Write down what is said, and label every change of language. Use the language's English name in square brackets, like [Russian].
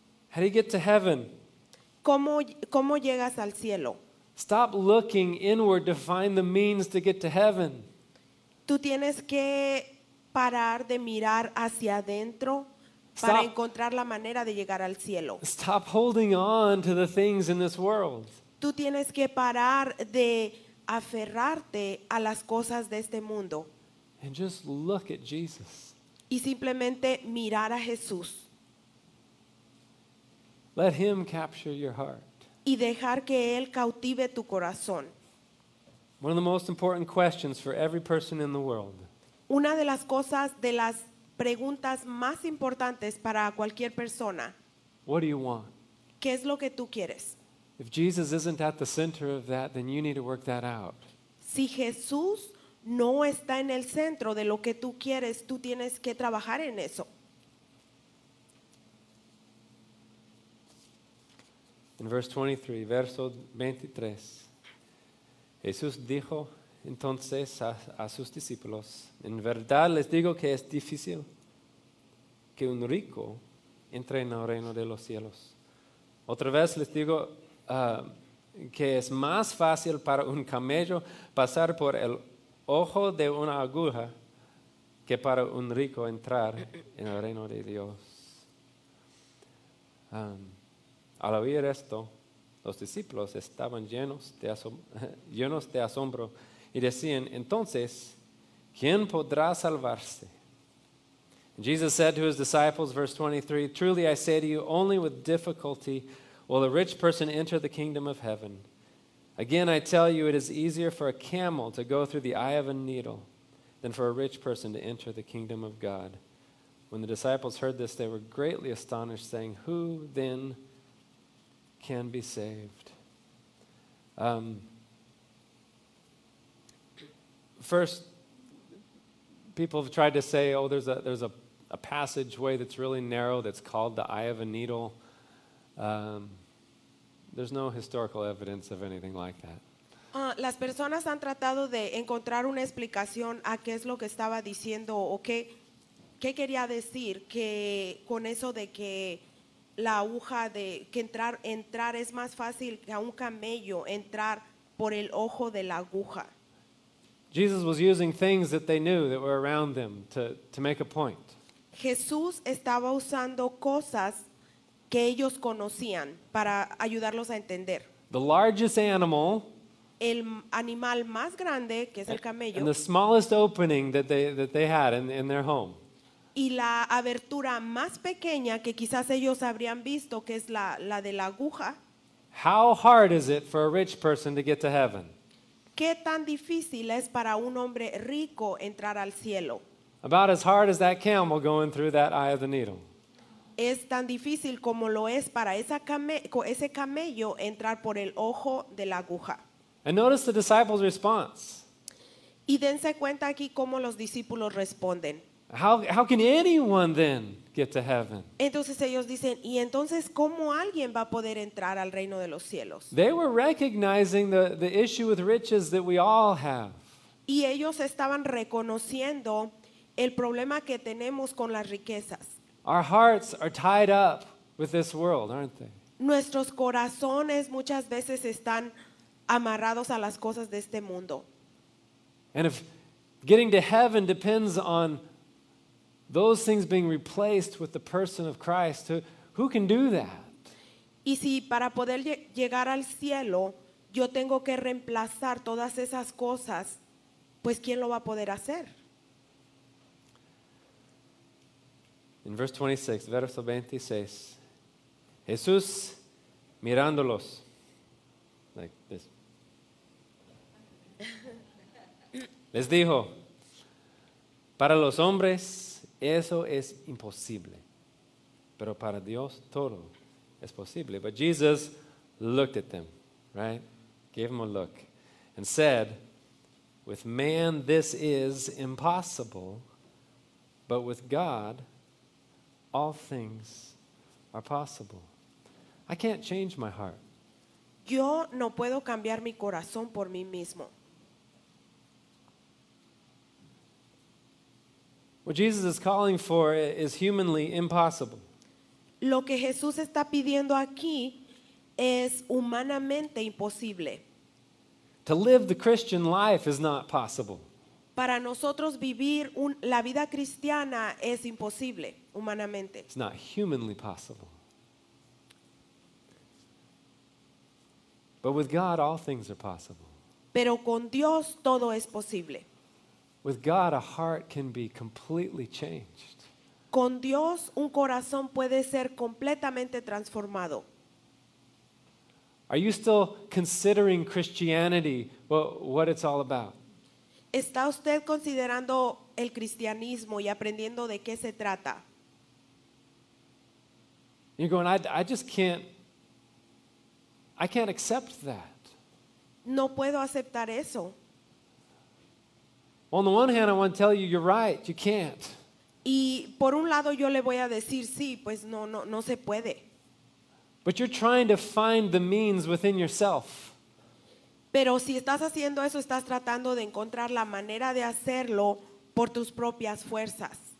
[English] How do you get to heaven? [Spanish] ¿Cómo llegas al cielo? [English] Stop looking inward to find the means to get to heaven. [Spanish] Tú tienes que parar de mirar hacia adentro. Para encontrar la manera de llegar al cielo. [English] Stop holding on to the things in this world. [Spanish] Tú tienes que parar de aferrarte a las cosas de este mundo. [English] And just look at Jesus. [Spanish] Y simplemente mirar a Jesús. [English] Let him capture your heart. [Spanish] Y dejar que él cautive tu corazón. [English] One of the most important questions for every person in the world. [Spanish] Una de las cosas de las preguntas más importantes para cualquier persona. [English] What do you want? [Spanish] ¿Qué es lo que tú quieres? [English] If Jesus isn't at the center of that, then you need to work that out. [Spanish] Si Jesús no está en el centro de lo que tú quieres, tú tienes que trabajar en eso. En verso 23, Jesús dijo entonces a sus discípulos, en verdad les digo que es difícil que un rico entre en el reino de los cielos. Otra vez les digo que es más fácil para un camello pasar por el ojo de una aguja que para un rico entrar en el reino de Dios. Al oír esto, los discípulos estaban llenos de asombro y decían, entonces, ¿quién podrá salvarse? [English] Jesus said to his disciples, verse 23, truly I say to you, only with difficulty will a rich person enter the kingdom of heaven. Again, I tell you, it is easier for a camel to go through the eye of a needle than for a rich person to enter the kingdom of God. When the disciples heard this, they were greatly astonished, saying, who then can be saved? First, people have tried to say, oh, there's a passageway that's really narrow that's called the eye of a needle. There's no historical evidence of anything like that. [Spanish] Las personas han tratado de encontrar una explicación a qué es lo que estaba diciendo o qué quería decir que con eso de que la aguja de que entrar es más fácil que a un camello entrar por el ojo de la aguja. [English] Jesus was using things that they knew that were around them to make a point. [Spanish] Jesús estaba usando cosas que ellos conocían para ayudarlos a entender. [English] The largest animal, [Spanish] el animal más grande, que es el camello, [English] and the smallest opening that they had in their home. [Spanish] Y la abertura más pequeña que quizás ellos habrían visto, que es la de la aguja. [English] How hard is it for a rich person to get to heaven? [Spanish] ¿Qué tan difícil es para un hombre rico entrar al cielo? [English] About as hard as that camel going through that eye of the needle. [Spanish] Es tan difícil como lo es para ese camello entrar por el ojo de la aguja. [English] And notice the disciples' response. [Spanish] Y dense cuenta aquí cómo los discípulos responden. [English] How can anyone then get to heaven? [Spanish] Entonces ellos dicen, ¿y entonces cómo alguien va a poder entrar al reino de los cielos? [English] They were recognizing the issue with riches that we all have. [Spanish] Y ellos estaban reconociendo el problema que tenemos con las riquezas. [English] Our hearts are tied up with this world, aren't they? [Spanish] Nuestros corazones muchas veces están amarrados a las cosas de este mundo. [English] And if getting to heaven depends on those things being replaced with the person of Christ, who can do that? [Spanish] Y si para poder llegar al cielo yo tengo que reemplazar todas esas cosas, pues ¿quién lo va a poder hacer? En verso 26, Jesús mirándolos, [English] like this, [Spanish] les dijo, para los hombres eso es imposible, pero para Dios todo es posible. [English] But Jesus looked at them, right? Gave them a look and said, with man this is impossible, but with God all things are possible. I can't change my heart. [Spanish] Yo no puedo cambiar mi corazón por mí mismo. [English] What Jesus is calling for is humanly impossible. [Spanish] Lo que Jesús está pidiendo aquí es humanamente imposible. [English] To live the Christian life is not possible. [Spanish] Para nosotros vivir la vida cristiana es imposible humanamente. [English] It's not humanly possible. But with God, all things are possible. [Spanish] Pero con Dios todo es posible. [English] With God, a heart can be completely changed. [Spanish] Con Dios un corazón puede ser completamente transformado. [English] Are you still considering Christianity, what it's all about? [Spanish] ¿Está usted considerando el cristianismo y aprendiendo de qué se trata. [English] You're going, I just can't, I can't accept that. [Spanish] No puedo aceptar eso. [English] On the one hand, I want to tell you, you're right, you can't. [Spanish] Y por un lado yo le voy a decir, sí, pues no, no, no se puede. [English] But you're trying to find the means within yourself. [Spanish] Pero si estás haciendo eso, estás tratando de encontrar la manera de hacerlo por tus propias fuerzas.